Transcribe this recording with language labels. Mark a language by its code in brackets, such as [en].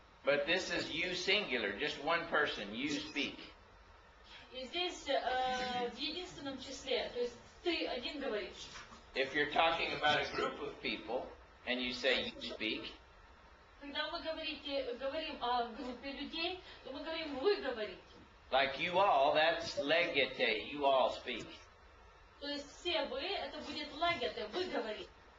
[en] But this is you singular, just one person, you speak. [ru] И здесь в единственном числе, то есть ты один говоришь. [en] If you're talking about a group of people, and you say you speak. [ru] Когда мы говорим о группе людей, то мы говорим вы говорите. [en] Like you all, that's legete, you all speak. [ru] То есть все вы, это будет legete, вы говорите.